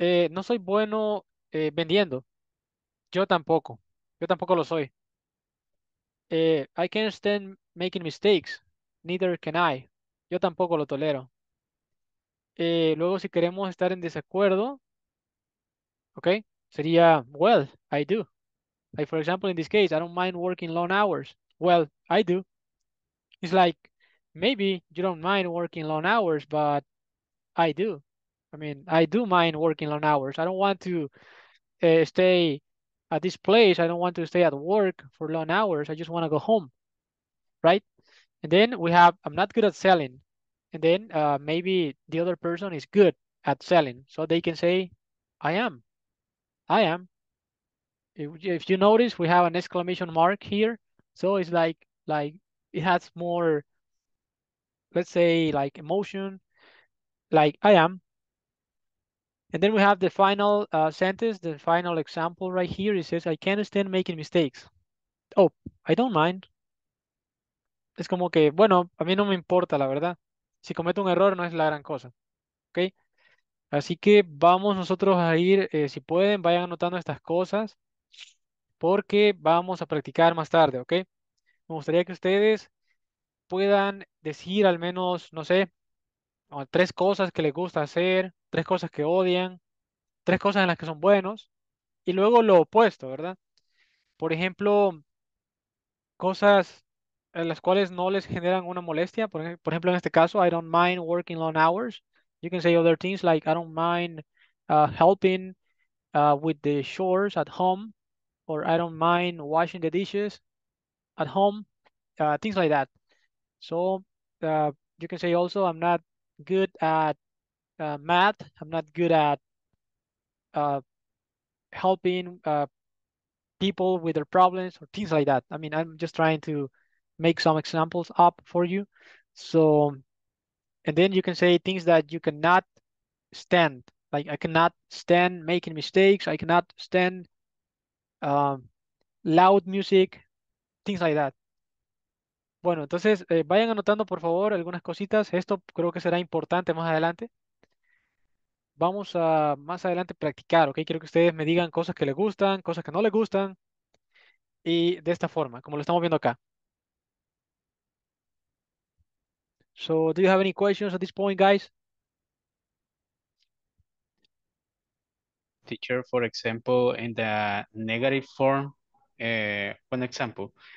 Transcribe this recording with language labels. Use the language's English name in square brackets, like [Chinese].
[Spanish] No soy bueno vendiendo. Yo tampoco. Yo tampoco lo soy. [English] I can't stand making mistakes. Neither can I. [Spanish] Yo tampoco lo tolero. Luego, si queremos estar en desacuerdo, okay, sería, [English] well, I do. Like, for example, in this case, I don't mind working long hours. Well, I do. It's like, maybe you don't mind working long hours, but I do. I mean, I do mind working long hours. I don't want to stay at this place. I don't want to stay at work for long hours. I just want to go home, right? And then we have, I'm not good at selling. And then maybe the other person is good at selling. So they can say, I am. If you notice, we have an exclamation mark here. So it's like it has more, let's say, like emotion, like I am. And then we have the final sentence, the final example right here. It says, I can't stand making mistakes. Oh, I don't mind. [Spanish] Es como que, bueno, a mí no me importa, la verdad. Si cometo un error, no es la gran cosa. Okay. Así que vamos nosotros a ir, si pueden, vayan anotando estas cosas. Porque vamos a practicar más tarde, ¿ok? Me gustaría que ustedes puedan decir al menos, no sé, tres cosas que les gusta hacer, tres cosas que odian, tres cosas en las que son buenos, Y luego lo opuesto, ¿verdad? Por ejemplo, cosas en las cuales no les generan una molestia. [English] Por ejemplo, en este caso, I don't mind working long hours. You can say other things like, I don't mind helping with the chores at home. Or I don't mind washing the dishes at home. Things like that. So you can say also, I'm not good at math. I'm not good at helping people with their problems or things like that. I mean, I'm just trying to make some examples up for you. So, and then you can say things that you cannot stand. Like, I cannot stand making mistakes. I cannot stand loud music, things like that. [Spanish] Bueno, entonces vayan anotando, por favor, algunas cositas. Esto creo que será importante más adelante. Vamos a más adelante practicar, ¿ok? Quiero que ustedes me digan cosas que les gustan, cosas que no les gustan. Y de esta forma, como lo estamos viendo acá. [English] So, do you have any questions at this point, guys? Teacher, for example, in the negative form, one example.